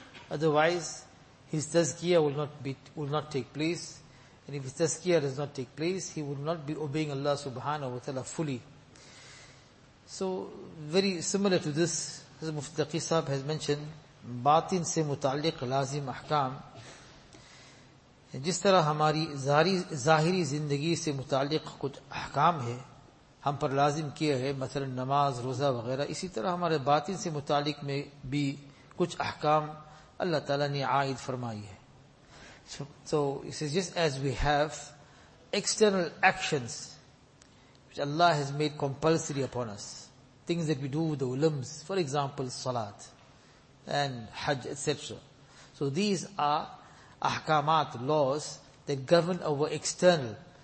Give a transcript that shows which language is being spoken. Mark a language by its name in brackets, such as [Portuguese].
[English] Otherwise, his tazkiyah will not take place. And if his tazkiyah does not take place, he will not be obeying Allah subhanahu wa ta'ala fully. So, very similar to this, as Mufti Taqi Sahib has mentioned, [Urdu] batin se mutalliq lazim ahkam. Jis tarah hamari zahiri zindagi se mutalliq kuch ahkam hai, ہم پر لازم کیا ہے مثلا نماز روزہ وغیرہ, اسی طرح ہمارے باطن سے متعلق میں بھی کچھ احکام اللہ تعالیٰ نے عائد فرمائی ہے. [English] So it says just as we have external actions which Allah has made compulsory upon us, things that we do with the limbs, for example salat and hajj etc. So these are احکامات, laws that govern our external.